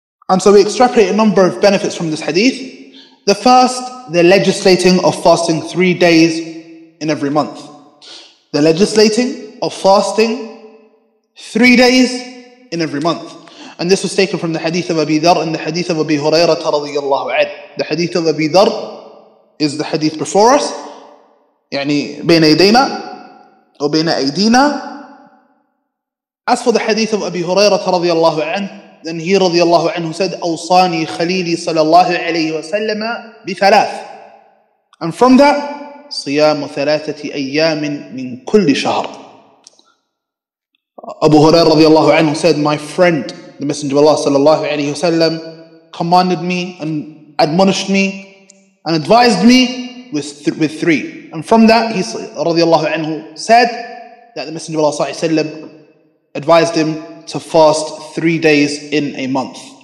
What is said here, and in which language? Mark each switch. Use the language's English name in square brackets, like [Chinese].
[English] And so we extrapolate a number of benefits from this hadith. The first, the legislating of fasting 3 days in every month. The legislating of fasting 3 days in every month. And this was taken from the hadith of Abi Dharr and the hadith of Abi Hurairah radiyallahu anhu. The hadith of Abi Dharr is the hadith before us. [Arabic] يعني بين أيدينا أو بين أيدينا. [English] As for the hadith of Abi Hurairah radiyallahu anhu, then he radiyallahu anhu said, [Arabic] أوصاني خليلي صلى الله عليه وسلم بثلاث. [English] And from that, [Arabic] صيام ثلاثة أيام من كل شهر. [English] Abu Hurairah رضي الله عنه said, my friend, the Messenger of Allah صلى الله عليه وسلم, commanded me and admonished me and advised me with three. And from that, he رضي الله عنه said that the Messenger of Allah صلى الله عليه وسلم advised him to fast 3 days in a month.